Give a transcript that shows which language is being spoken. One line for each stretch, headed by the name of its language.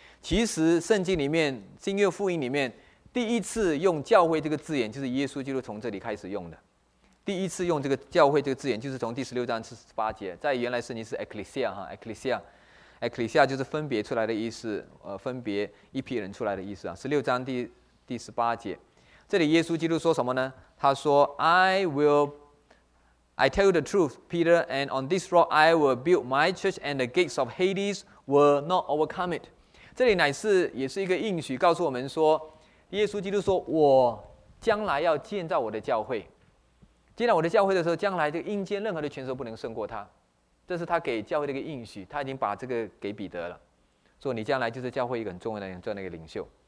Chinese: 其实圣经里面新约福音里面第一次用教会这个字眼，就是耶稣基督从这里开始用的。第一次用这个教会这个字眼，就是从第16章48节，在原来圣经是 Ecclesia 就是分别出来的意思，分别一批人出来的意思啊。 16章第18节，这里耶稣基督说什么呢？他说
English: I tell you the truth, Peter, and on this rock I will build my church, and the gates of Hades will not overcome it。
Chinese: 这里乃是也是一个应许，告诉我们说耶稣基督说，我将来要建造我的教会，建造我的教会的时候，将来就阴间任何的权势不能胜过他。这是他给教会的一个应许，他已经把这个给彼得了，说你将来就是教会一个很重要的人，做那个领袖。